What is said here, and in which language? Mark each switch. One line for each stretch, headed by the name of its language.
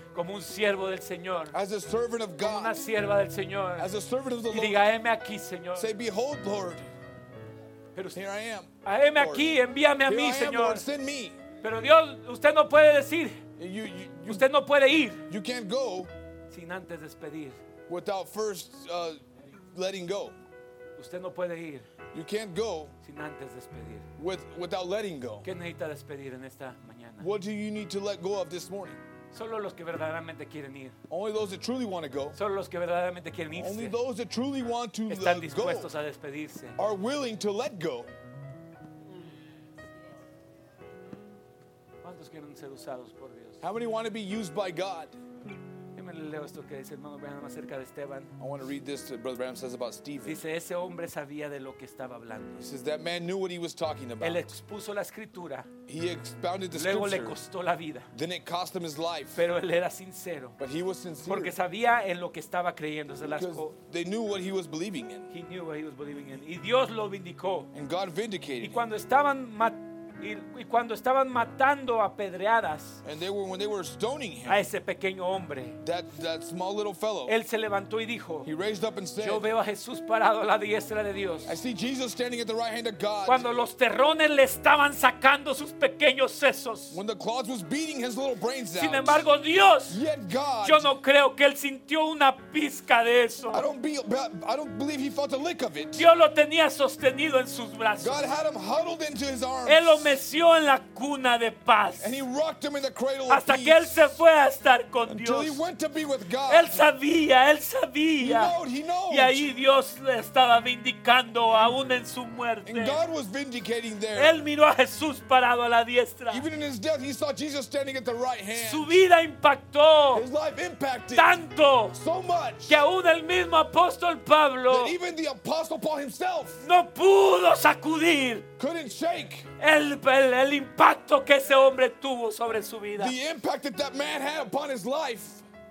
Spanish: Como un siervo del Señor.
English: As a servant of God.
Spanish: Como una sierva del Señor.
English: As a servant of the Lord.
Spanish: Y diga, heme aquí, Señor.
English: Say, behold, Lord.
Spanish: Pero
English: here I am.
Spanish: Aquí, envíame a
English: here
Spanish: mí,
English: I am,
Spanish: Señor.
English: Lord, send me.
Spanish: Pero Dios, usted no puede decir.
English: You,
Spanish: usted no puede ir.
English: You can't go.
Spanish: Sin antes despedir.
English: Without first letting go.
Spanish: Usted no puede ir.
English: You can't go.
Spanish: Sin antes despedir.
English: Without letting go.
Spanish: ¿Qué necesita despedir en esta mañana?
English: What do you need to let go of this morning?
Spanish: Solo los que verdaderamente quieren ir.
English: Only those that truly want to go.
Spanish: Solo los que verdaderamente quieren irse.
English: Only those that truly want to go.
Spanish: Están dispuestos a despedirse.
English: Are willing to let go.
Spanish: ¿Cuántos quieren ser usados por Dios?
English: How many want to be used by God?
Spanish: Deme leo esto que dice hermano Branham acerca de Esteban.
English: I want to read this that Brother Branham says about Stephen.
Spanish: Dice, ese hombre sabía de lo que estaba hablando.
English: He says, that man knew what he was talking about.
Spanish: Él expuso la escritura.
English: He expounded the
Spanish: Luego
English: scripture.
Spanish: Le costó la vida.
English: Then it cost him his life.
Spanish: Pero él era sincero.
English: But he was sincere.
Spanish: Porque sabía en lo que estaba creyendo.
English: They knew what he was believing in. He knew what he was believing in.
Spanish: Y Dios lo vindicó.
English: And God vindicated
Spanish: y cuando estaban y cuando estaban matando a pedreadas a ese pequeño hombre,
English: that small little fellow,
Spanish: él se levantó y dijo,
English: he raised up and said,
Spanish: yo veo a Jesús parado a la diestra de Dios.
English: I see Jesus standing at the right hand of God.
Spanish: Cuando los terrones le estaban sacando sus pequeños sesos,
English: when the claws was beating his little brains out,
Spanish: sin embargo Dios,
English: yet God,
Spanish: yo no creo que él sintió una pizca de eso.
English: I don't believe he felt a lick of it.
Spanish: Dios lo tenía sostenido en sus brazos.
English: God had him huddled into his arms.
Spanish: Él lo meció en la cuna de paz hasta que él se fue a estar con Dios. Él sabía
English: he knows.
Spanish: Y ahí Dios le estaba vindicando aún en su muerte.
English: And God was vindicating there.
Spanish: Él miró a Jesús parado a la diestra.
English: Even in his death, he saw Jesus standing at the right hand.
Spanish: Su vida impactó
English: his life impacted
Spanish: tanto
English: so much
Spanish: que aún el mismo apóstol Pablo
English: even the apostle Paul himself
Spanish: no pudo sacudir
English: couldn't shake
Spanish: el impacto que ese hombre tuvo sobre su vida.
English: The impact that that man had upon his life.